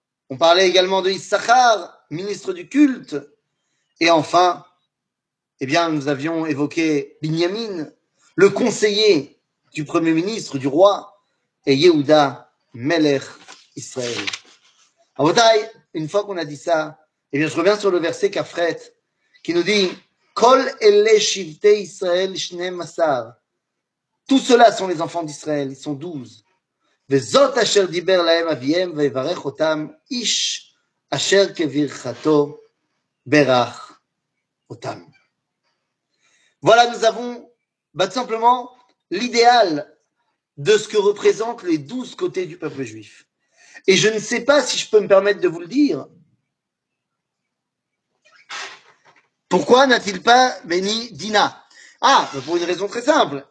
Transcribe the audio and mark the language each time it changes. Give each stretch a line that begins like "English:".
French: On parlait également de Issachar, ministre du culte. Et enfin, eh bien, nous avions évoqué Binyamin, le conseiller du premier ministre, du roi, et Yehuda, Melech Israël. Avotai, une fois qu'on a dit ça, eh bien, je reviens sur le verset Kafret, qui nous dit,
Hebrew: Kol ele shivtei Israël shnei masar.
French: Tous ceux-là sont les enfants d'Israël, ils sont 12.
Hebrew: וזאת אשר דיבר להם אביהם ויברך אותם איש אשר כברכתו ברך אותם.
French: Voilà, nous avons bah, simplement l'idéal de ce que représentent les 12 côtés du peuple juif. Et je ne sais pas si je peux me permettre de vous le dire. Pourquoi n'a-t-il pas béni Dina ? Ah, pour une raison très simple.